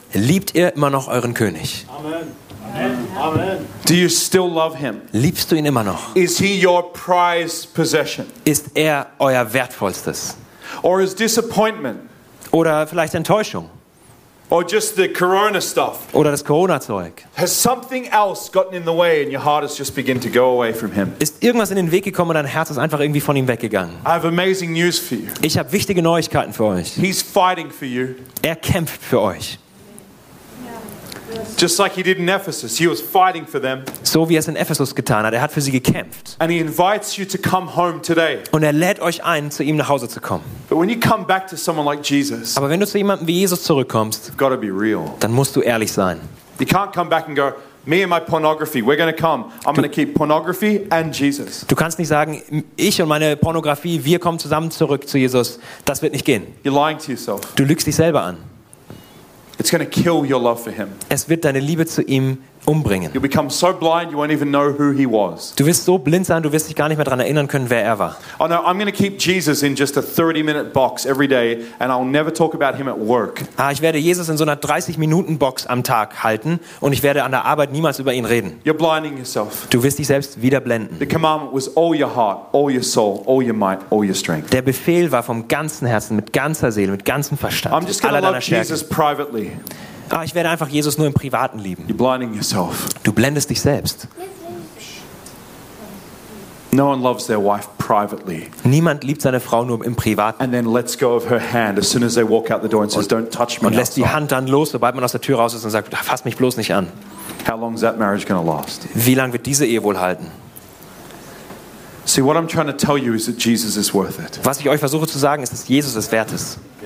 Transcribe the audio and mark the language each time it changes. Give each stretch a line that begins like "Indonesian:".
German: Liebt ihr immer noch euren König? Amen. Amen.
English: Do you still love him?
German: Liebst du ihn immer noch?
English: Is he your prized possession?
German: Ist euer wertvollstes?
English: Or is disappointment?
German: Oder vielleicht Enttäuschung?
English: Or just the corona stuff?
German: Oder das Corona-Zeug?
English: Has something else gotten in the way and your heart has just begin to go away from him?
German: Ist irgendwas in den Weg gekommen und dein Herz ist einfach irgendwie von ihm weggegangen?
English: I have amazing news for you.
German: Ich habe wichtige Neuigkeiten für euch.
English: He's fighting for you.
German: Kämpft für euch.
English: Just like he did in Ephesus, he was fighting for them.
German: So wie es in Ephesus getan hat, hat für sie gekämpft.
English: And he invites you to come home today.
German: Und lädt euch ein, zu ihm nach Hause zu kommen.
English: But when you come back to someone like Jesus,
German: aber wenn du zu jemandem wie Jesus zurückkommst,
English: you've got to be real.
German: Dann musst du ehrlich sein.
English: You can't come back and go, me and my pornography, we're going to come. I'm going to keep pornography and Jesus.
German: Du kannst nicht sagen, ich und meine Pornografie, wir kommen zusammen zurück zu Jesus. Das wird nicht gehen.
English: You're lying to yourself.
German: Du lügst dich selber an.
English: It's going to kill your love for him.
German: Es wird deine Liebe zu ihm umbringen.
English: You become so blind, you won't even know who he was.
German: Du wirst so blind sein, du wirst dich gar nicht mehr daran erinnern können, wer war.
English: Oh no, I'm going to keep Jesus in just a 30-minute box every day, and I'll never talk about him at work.
German: Ah, ich werde Jesus in so einer 30-Minuten Box am Tag halten, und ich werde an der Arbeit niemals über ihn reden.
English: You're blinding yourself.
German: Du wirst dich selbst wieder blenden.
English: The commandment was all your heart, all your soul, all your might, all your strength.
German: Der Befehl war vom ganzen Herzen, mit ganzer Seele, mit ganzem Verstand,
English: I'm just going to love Jesus privately.
German: Ah, ich werde einfach Jesus nur im Privaten lieben.
English: You're blinding yourself.
German: Du blendest dich selbst.
English: No one loves their wife privately.
German: Niemand liebt seine Frau nur im Privaten.
English: And then lets go of her hand as soon as they walk out the door and says, "Don't touch me."
German: Und lässt die Hand dann los, sobald man aus der Tür raus ist und sagt, fass mich bloß nicht an.
English: How long is that marriage going to last?
German: Wie lange wird diese Ehe wohl halten?
English: See, what I'm trying to tell you is that Jesus is worth it.
German: Was ich euch versuche zu sagen, ist, dass Jesus es wert ist.